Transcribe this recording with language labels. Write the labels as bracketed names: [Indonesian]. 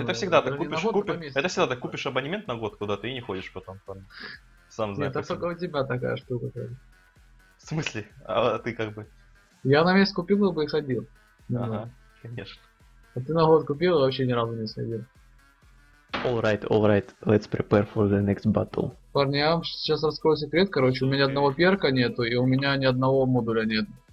[Russian] Это всегда так купишь, Это всегда так купишь абонемент на год куда-то и не ходишь потом. Сам знаю. Это только у тебя такая штука. В смысле? А ты как бы? Я на месяц купил бы и ходил. Ага, конечно. А ты на год купил и вообще ни разу не сходил. [English] Alright, alright, let's prepare for the next battle. [Russian] Парни, я вам сейчас раскрою секрет, короче, у меня одного перка нету, и у меня ни одного модуля нет.